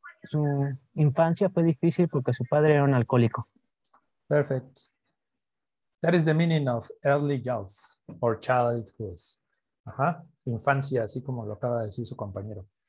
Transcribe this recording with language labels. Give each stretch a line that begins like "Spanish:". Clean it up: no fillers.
Spanish: Su infancia fue difícil porque su padre era un alcohólico.
English: Perfect. That is the meaning of early youth or childhood.
Spanish: Ajá, infancia, así como lo acaba de decir su compañero.